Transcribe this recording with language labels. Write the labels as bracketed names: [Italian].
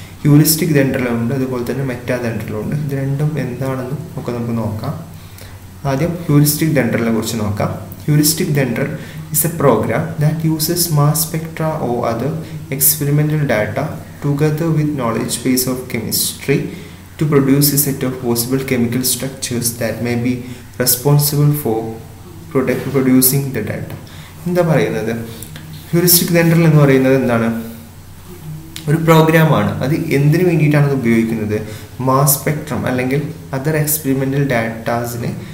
[Malayalam] Heuristic ഡെൻഡ്രലുണ്ട്, അതുപോലെ തന്നെ meta ഡെൻഡ്രലുണ്ട്. ഇത് രണ്ടും എന്താണെന്ന് ഒക്കെ നമുക്ക് നോക്കാം. ആദ്യം ഹ്യൂറിസ്റ്റിക് ഡെൻഡ്രലിനെ കുറിച്ച് നോക്കാം. [English] Heuristic Dendral is a program that uses mass spectra or other experimental data together with knowledge base of chemistry to produce a set of possible chemical structures that may be responsible for producing the dent. [Malayalam] എന്താ പറയുന്നത് heuristic ഡെൻഡ്രൽ എന്ന് പറയുന്നത് എന്താണ് ഒരു പ്രോഗ്രാമാണ് അത് എന്തിനു വേണ്ടിയിട്ടാണ് അത് ഉപയോഗിക്കുന്നത് മാസ് സ്പെക്ട്രം അല്ലെങ്കിൽ അതർ എക്സ്പെരിമെൻ്റൽ ഡാറ്റാസിനെ